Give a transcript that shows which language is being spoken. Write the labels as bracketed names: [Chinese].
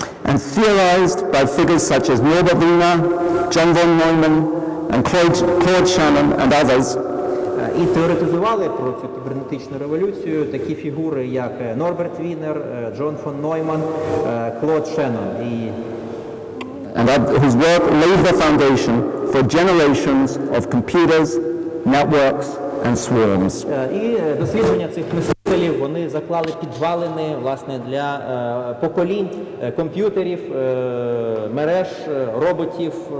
[English] And theorized by figures such as Norbert Wiener, John von Neumann, and Claude Shannon and others. [Ukrainian] І теоретизували про цю кібернетичну революцію такі фігури, як Норберт Вінер, Джон фон Нойман, Клод Шеннон. [English] And whose work laid the foundation for generations of computers, networks and swarms. [Ukrainian] І дослідження цих мислителів, вони заклали підвалини, власне, для поколінь комп'ютерів, мереж, роботів,